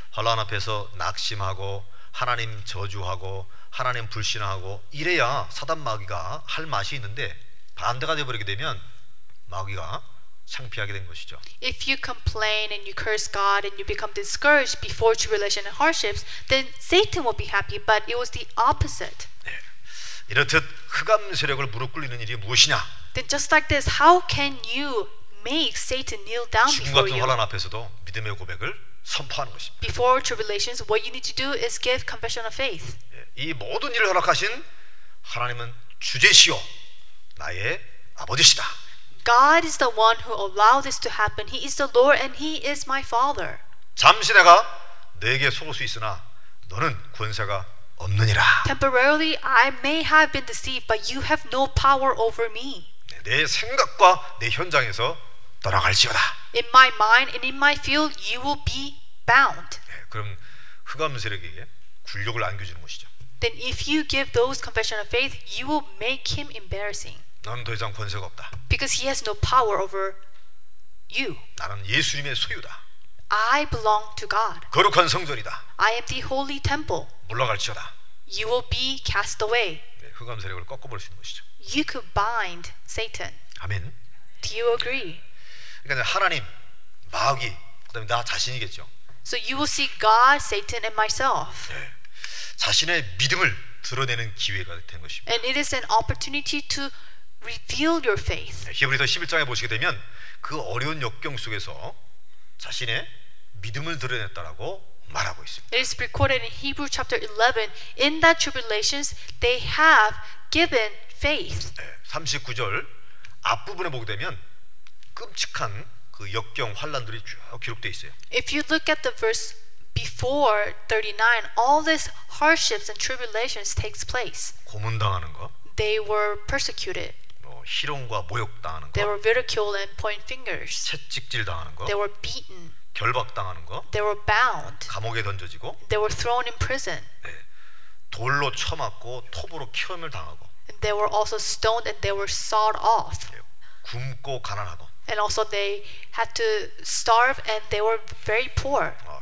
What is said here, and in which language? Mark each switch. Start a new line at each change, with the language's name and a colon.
Korean: 환난 앞에서 낙심하고 하나님 저주하고 하나님 불신하고 이래야 사단 마귀가 할 맛이 있는데 반대가 돼 버리게 되면 마귀가 창피하게 된 것이죠.
English: If you complain and you curse God and you become discouraged before tribulation and hardships, then Satan will be happy, but it was the opposite.
Korean: 네. 이렇듯 흑암 세력을 무릎 꿇리는 일이 무엇이냐?
English: Then just like this, how can you make Satan kneel down before you?
Korean: 죽음 같은 환난 앞에서도 믿음의 고백을 선포하는 것입니다.
English: Before tribulations, what you need to do is give confession of faith.
Korean: 네. 이 모든 일을 허락하신 하나님은 주제시오 나의 아버지시다.
English: God is the one who allowed this to happen. He is the Lord and he is my father.
Korean: 잠시 내가 네게 속을 수 있으나 너는 권세가 없느니라.
English: Temporarily I may have been deceived but you have no power over me.
Korean: 내 생각과 내 현장에서 떠나갈지어다.
English: In my mind and in my field you will be bound.
Korean: 네, 그럼 흑암 세력에게 굴욕을 안겨주는 것이죠.
English: Then if you give those confession of faith you will make him embarrassing.
Korean: 나는 더 이상 권세가 없다.
English: Because he has no power over you.
Korean: 나는 예수님의 소유다.
English: I belong to God.
Korean: 거룩한 성전이다.
English: I am the holy temple.
Korean: 물러갈지어다.
English: You will be cast away.
Korean: 네, 흑암 세력을 꺾어버릴 수 있는 것이죠.
English: You could bind Satan.
Korean: 아멘.
English: Do you agree?
Korean: 그러니까 하나님, 마귀, 그다음에 나 자신이겠죠.
English: So you will see God, Satan, and myself.
Korean: 네, 자신의 믿음을 드러내는 기회가 된 것입니다.
English: And it is an opportunity to reveal your faith.
Korean: 히브리서 11장에 보시게 되면 그 어려운 역경 속에서 자신의 믿음을 드러냈다라고 말하고 있습니다.
English: It is recorded in Hebrews chapter 11. In that tribulations, they have given faith.
Korean: 39절 앞부분에 보게 되면 끔찍한 그 역경 환난들이 쭉 기록돼 있어요.
English: If you look at the verse before 39, all these hardships and tribulations takes place.
Korean: 고문 당하는 거.
English: They were persecuted.
Korean: 뭐 희롱과 모욕 당하는 거.
English: They were ridiculed and point fingers.
Korean: 채찍질 당하는 거.
English: They were beaten.
Korean: 결박 당하는 거.
English: They were bound.
Korean: 감옥에 던져지고.
English: They were thrown in prison.
Korean: 네. 돌로 쳐맞고 톱으로 키움을 당하고.
English: And they were also stoned and they were sawed off.
Korean: 네. 굶고 가난하고.
English: And also they had to starve and they were very poor.